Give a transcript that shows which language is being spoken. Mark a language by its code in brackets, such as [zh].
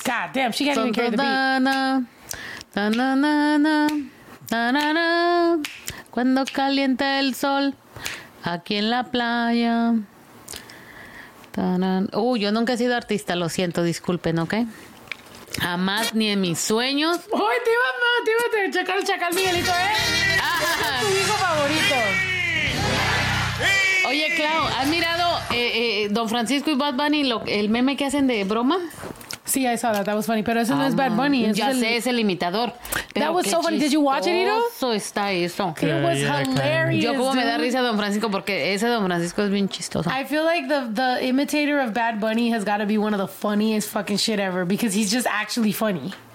[en] God damn, she can't even carry the beat. Na, na, na, na, na, na, na. [es] Cuando calienta el sol aquí en la playa. Tarán. Yo nunca he sido artista, lo siento, disculpen, ¿ok? Jamás ni en mis sueños. ¡Uy, tío, chacal Miguelito, eh! Es tu hijo favorito. Oye, Clau, ¿has mirado Don Francisco y Bad Bunny el meme que hacen de broma? [en] Sí, I saw that. That was funny. [es] Pero eso no es Bad Bunny. Es el imitador. [en] Pero that was so funny. Did you watch it, Ido? [es] Eso está eso. [en] It was hilarious. [es] Yo como me da risa a Don Francisco porque ese Don Francisco es bien chistoso. [en] I feel like the imitator of Bad Bunny has got to be one of the funniest fucking shit ever because he's just actually funny.